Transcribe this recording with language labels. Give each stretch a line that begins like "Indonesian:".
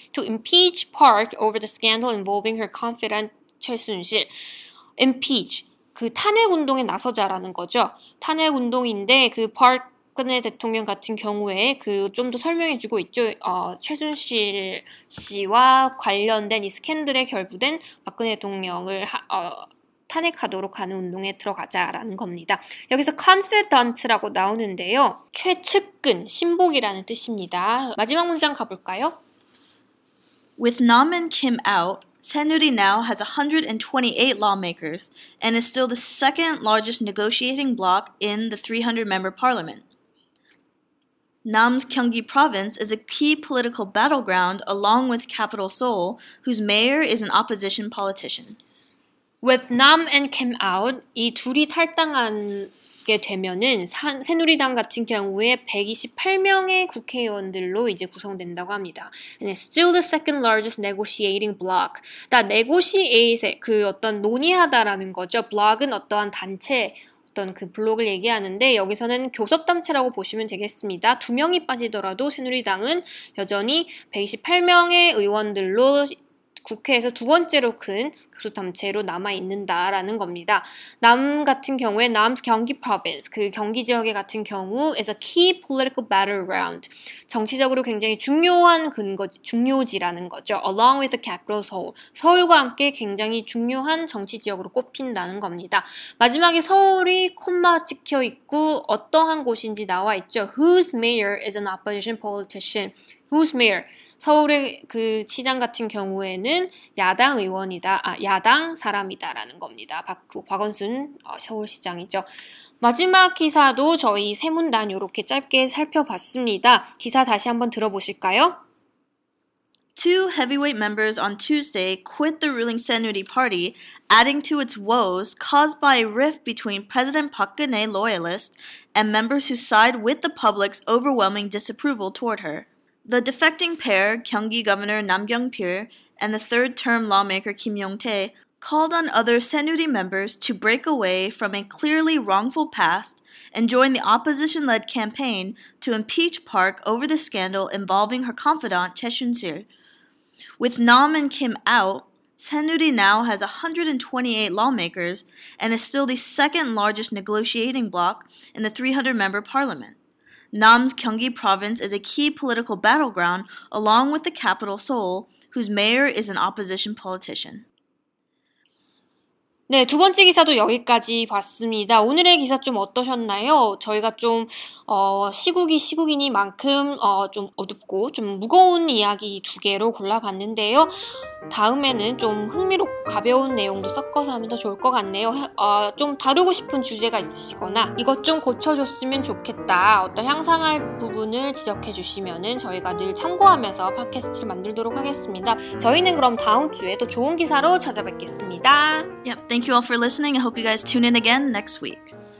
English: to impeach Park over the scandal involving her confidant 최순실.
Korean: impeach 그 탄핵 운동에 나서자라는 거죠. 탄핵 운동인데 그 Park 박근혜 대통령 같은 경우에 그 좀 더 설명해 주고 있죠. 최순실 씨와 관련된 이 스캔들에 결부된 박근혜 대통령을 탄핵하도록 하는 운동에 들어가자라는 겁니다. 여기서 confidant라고 나오는데요. 최측근, 신복이라는 뜻입니다. 마지막 문장 가볼까요?
English: With Nam and Kim out, 새누리 now has 128 lawmakers and is still the second largest negotiating bloc in the 300-member parliament. Nam's Gyeonggi province is a key political battleground along with capital Seoul, whose mayor is an opposition politician. With Nam and Kim out,
Korean: 이 둘이 탈당하게 되면은 새누리당 같은 경우에 128명의 국회의원들로 이제 구성된다고 합니다.
English: And it's still the second largest negotiating bloc.
Korean: 그러니까 negotiate 그 어떤 논의하다라는 거죠. bloc은 어떠한 단체 어떤 그 블록을 얘기하는데 여기서는 교섭단체라고 보시면 되겠습니다. 두 명이 빠지더라도 새누리당은 여전히 128명의 의원들로 국회에서 두 번째로 큰 교섭단체로 남아있는다라는 겁니다. 남 같은 경우에 남스 경기 province, 그 경기 지역에 같은 경우
English: is a key political battleground.
Korean: 정치적으로 굉장히 중요한 근거지, 중요지라는 거죠.
English: along with the capital Seoul.
Korean: 서울과 함께 굉장히 중요한 정치 지역으로 꼽힌다는 겁니다. 마지막에 서울이 콤마 찍혀있고 어떠한 곳인지 나와있죠.
English: whose mayor is an opposition politician? whose mayor?
Korean: 서울의 그 시장 같은 경우에는 야당 의원이다. 아, 야당 사람이다라는 겁니다. 곽원순 서울시장이죠. 마지막 기사도 저희 세 문단 이렇게 짧게 살펴봤습니다. 기사 다시 한번 들어보실까요?
English: Two heavyweight members on Tuesday quit the ruling Saenuri Party, adding to its woes caused by a rift between President Park Geun-hye loyalists and members who side with the public's overwhelming disapproval toward her. The defecting pair, Gyeonggi Governor Nam Kyung-pil and the third-term lawmaker Kim Yong-tae, called on other Saenuri members to break away from a clearly wrongful past and join the opposition-led campaign to impeach Park over the scandal involving her confidant, Choi Soon-sil. With Nam and Kim out, Saenuri now has 128 lawmakers and is still the second-largest negotiating bloc in the 300-member parliament. Nam's Gyeonggi province is a key political battleground along with the capital Seoul, whose mayor is an opposition politician.
Korean: 네, 두 번째 기사도 여기까지 봤습니다. 오늘의 기사 좀 어떠셨나요? 저희가 좀 시국이 시국이니만큼 좀 어둡고 좀 무거운 이야기 두 개로 골라봤는데요. 다음에는 좀 흥미롭고 가벼운 내용도 섞어서 하면 더 좋을 것 같네요. 좀 다루고 싶은 주제가 있으시거나 이것 좀 고쳐줬으면 좋겠다. 어떤 향상할 부분을 지적해 주시면은 저희가 늘 참고하면서 팟캐스트를 만들도록 하겠습니다. 저희는 그럼 다음 주에 또 좋은 기사로 찾아뵙겠습니다.
English: Yep. Thank you all for listening. I hope you guys tune in again next week.